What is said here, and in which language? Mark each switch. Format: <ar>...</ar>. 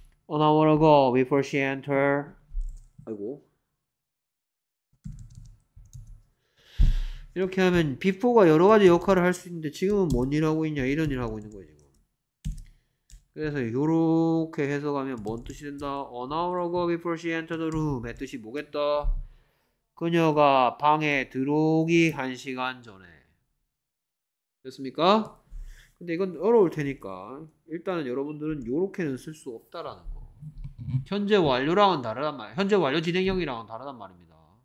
<en>An hour ago, before she entered. 아이고.</en> <ko>이렇게 하면 before가 여러 가지 역할을 할수 있는데 지금은 뭔 일하고 있냐 이런 일 하고 있는 거지. 그래서 요렇게 해석하면 뭔 뜻이 된다?</ko> <en>An hour ago, before she entered the room.</en> <ko>의 뜻이 뭐겠다? 그녀가 방에 들어오기 1시간 전에. 됐습니까? 근데 이건 어려울 테니까 일단은 여러분들은 요렇게는 쓸수 없다라는 거. 현재 완료랑은 다르단 말이야. 현재 완료 진행형이랑은 다르단 말입니다.</ko>